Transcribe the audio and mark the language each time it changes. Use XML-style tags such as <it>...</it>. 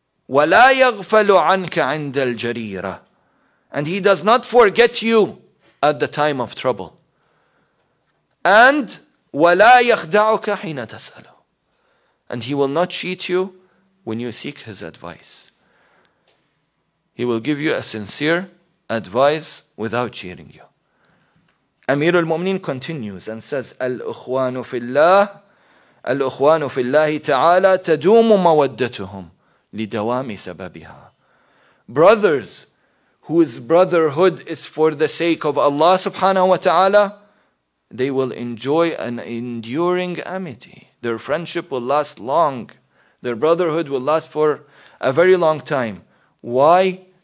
<ar>وَلَا يَغْفَلُ عَنْكَ عَنْدَ الْجَرِيرَةِ,</ar> <en>and he does not forget you at the time of trouble. And</en> <ar>وَلَا يَخْدَعُكَ حِينَ تَسْأَلُ,</ar> <en>and he will not cheat you when you seek his advice. He will give you a sincere advice without cheating you. Amir al-Mu'mineen continues and says,</en> <ar>الْأُخْوَانُ فِي اللَّهِ الْأُخْوَانُ فِي اللَّهِ تَعَالَى تَدُومُ مَوَدَّتُهُمْ لِدَوَامِ سَبَبِهَا.</ar> <en>Brothers whose brotherhood is for the sake of Allah subhanahu wa ta'ala, they will enjoy an enduring amity. Their friendship will last long. Their brotherhood will last for a very long time. Why?</en>